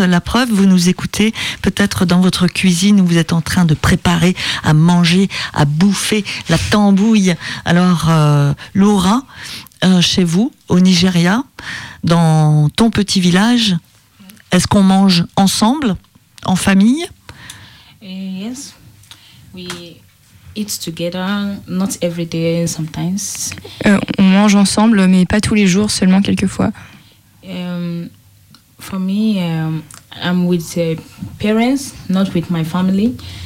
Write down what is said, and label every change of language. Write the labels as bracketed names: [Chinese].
[French] La preuve, vous nous écoutez peut-être dans votre cuisine où vous êtes en train de préparer à manger, à bouffer la tambouille. Alors, Laura, chez vous, au Nigeria, dans ton petit village, est-ce qu'on mange ensemble, en famille? [English] Yes, we eat together, not every day, sometimes. [French] On mange ensemble, mais pas tous les jours, seulement quelques fois. [English] For me, I'm with parents, not with my family.